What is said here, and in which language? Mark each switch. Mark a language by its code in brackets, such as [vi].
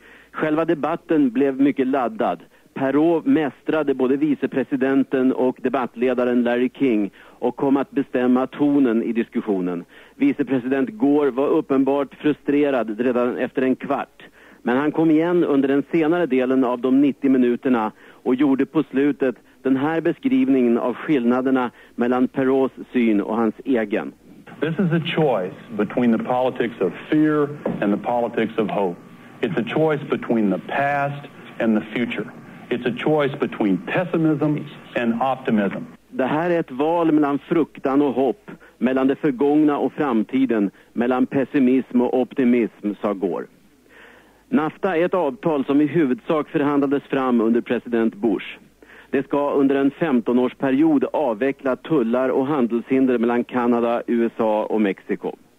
[sv] Själva debatten blev mycket laddad. Perot mästrade både vicepresidenten och debattledaren Larry King och kom att bestämma tonen i diskussionen. Vicepresident Gore var uppenbart frustrerad redan efter en kvart. Men han kom igen under den senare delen av de 90 minuterna och gjorde på slutet den här beskrivningen av skillnaderna mellan Perots syn och hans egen. [en] This is a choice between the politics of fear and the politics of hope. It's a choice between the past and the future. It's a choice between pessimism and optimism. [sv] Det här är ett val mellan fruktan och hopp, mellan det förgångna och framtiden, mellan pessimism och optimism, sa Gore. NAFTA är ett avtal som i huvudsak förhandlades fram under president Bush. Det ska under en 15-årsperiod avveckla tullar och handelshinder mellan Kanada, USA och Mexiko.